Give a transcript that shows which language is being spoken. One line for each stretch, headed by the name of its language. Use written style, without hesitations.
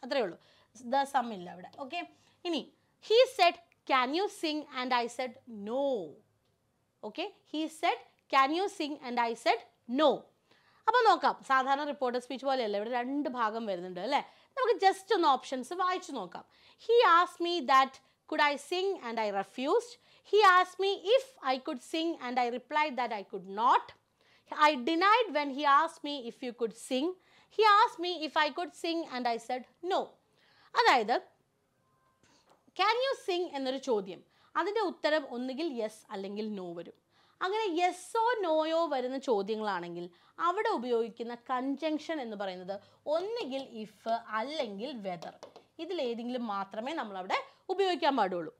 Malayalam: അത്രയേ ഉള്ളൂ, the sum ഇല്ല അവിടെ. ഓക്കെ, ഇനി he said
English: Can you sing? And I said no. Okay? He said, can you sing? And I said no.
Malayalam: അപ്പം നോക്കാം, സാധാരണ റിപ്പോർട്ടർ സ്പീച്ച് പോലെയല്ല, ഇവിടെ രണ്ട് ഭാഗം വരുന്നുണ്ട് അല്ലേ. നമുക്ക് ജസ്റ്റ് ഒന്ന് ഓപ്ഷൻസ് വായിച്ചു നോക്കാം.
English: He asked me that could I sing and I refused. He asked me if I could sing and I replied that I could not. I denied when he asked me if you could sing. He asked me if I could sing and I said no.
Malayalam: അതായത് can you sing എന്നൊരു ചോദ്യം, അതിൻ്റെ ഉത്തരം ഒന്നുകിൽ yes അല്ലെങ്കിൽ no വരും. അങ്ങനെ യെസ്സോ നോയോ വരുന്ന ചോദ്യങ്ങളാണെങ്കിൽ അവിടെ ഉപയോഗിക്കുന്ന കൺജങ്ഷൻ എന്ന് പറയുന്നത് ഒന്നുകിൽ ഇഫ് അല്ലെങ്കിൽ വെദർ, ഇതിലേതെങ്കിലും മാത്രമേ നമ്മളവിടെ ഉപയോഗിക്കാൻ പാടുള്ളൂ.